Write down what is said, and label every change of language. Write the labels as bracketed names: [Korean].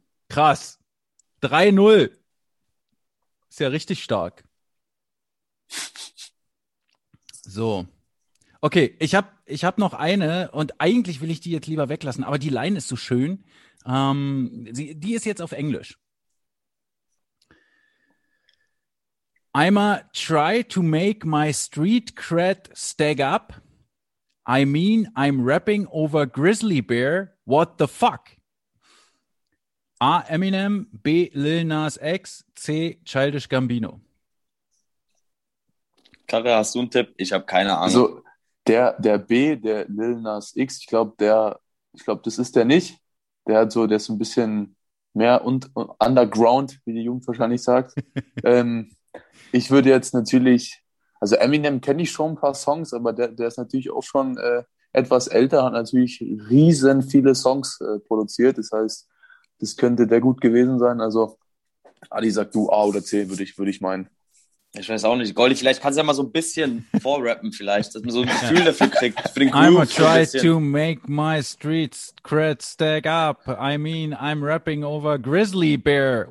[German] Krass. 3-0. Ist ja richtig stark. So. Okay, ich hab noch eine und eigentlich will ich die jetzt lieber weglassen, aber die Line ist so schön. Die ist jetzt auf Englisch. [English] I'ma try to make my street cred stag up. I mean, I'm rapping over grizzly bear. What the fuck? A, Eminem. B, Lil Nas X. C, Childish Gambino. [German] Karre, hast du einen Tipp? Ich habe keine Ahnung. Also, der B, der Lil Nas X, ich glaube, das ist der nicht. Der ist ein bisschen mehr und underground, wie die Jugend wahrscheinlich sagt. Ich würde jetzt natürlich, also Eminem kenne ich schon ein paar Songs, aber der ist natürlich auch schon etwas älter, hat natürlich riesen viele Songs produziert. Das heißt, das könnte der gut gewesen sein. Also Adi, sag du A oder C, würde ich meinen. Ich weiß auch nicht. Goldi, vielleicht kannst du ja mal so ein bisschen vorrappen vielleicht, dass man so ein Gefühl dafür kriegt. Für den [English] I'm a try to make my street cred stack up. I mean, I'm rapping over grizzly bear.